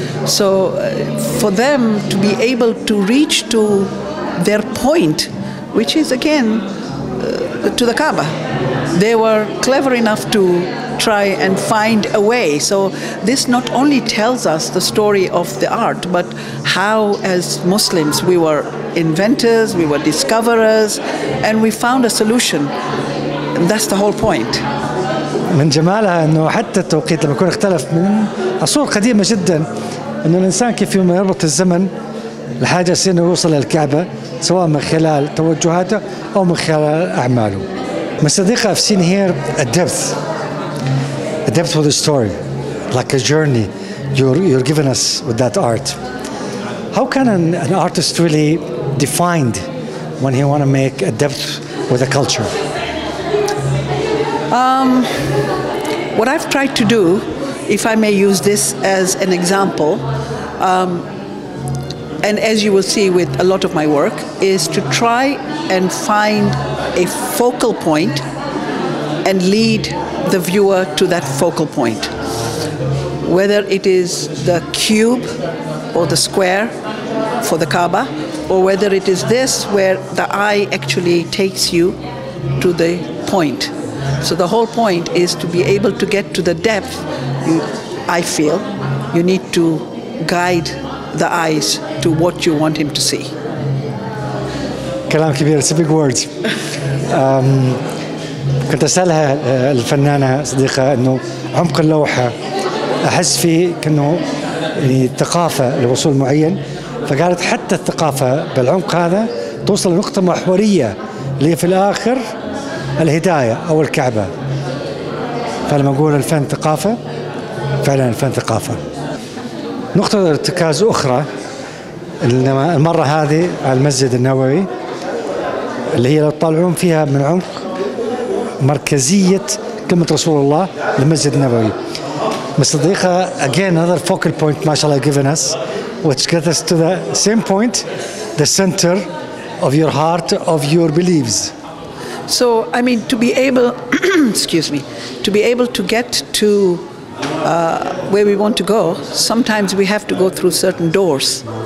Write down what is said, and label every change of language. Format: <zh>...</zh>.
<en>So for them to be able to reach to their point, which is again to the Kaaba, they were clever enough to try and find a way. So this not only tells us the story of the art, but how as Muslims we were inventors, we were discoverers, and we found a solution. And that's the whole point.</en> <ar>من جمالها انه حتى التوقيت لما يكون اختلف من عصور قديمه جدا انه الانسان كيف يوم يربط الزمن لحاجة سين يوصل للكعبه سواء من خلال توجهاته او من خلال اعماله.</ar> <en>من صديقه, I've seen here a depth with the story, like a journey you're giving us with that art. How can an artist really defined when he want to make a depth with a culture? What I've tried to do, if I may use this as an example, and as you will see with a lot of my work, is to try and find a focal point and lead the viewer to that focal point. Whether it is the cube or the square for the Kaaba, or whether it is this where the eye actually takes you to the point. So the whole point is to be able to get to the depth. I feel you need to guide the eyes to what you want him to see.</en> <ar>كلام كبير,</ar> <en>it's a big word.</en> <ar>كنت أسألها الفنانة صديقة إنه عمق اللوحة أحس فيه إنه الثقافة لوصول معين, فقالت حتى الثقافة بالعمق هذا توصل لنقطة محورية اللي في الآخر الهداية أو الكعبة. فلما أقول الفن ثقافة, فعلا الفن ثقافة. نقطة ارتكاز أخرى المرة هذه على المسجد النووي اللي هي لو تطالعون فيها من عمق مركزية كلمة رسول الله للمسجد النووي.</ar> <en>صديقة, again another focal point mashallah given us, which gets us to the same point, the center of your heart, of your beliefs. So, I mean, to be able, excuse me, to be able to get to where we want to go, sometimes we have to go through certain doors.</en>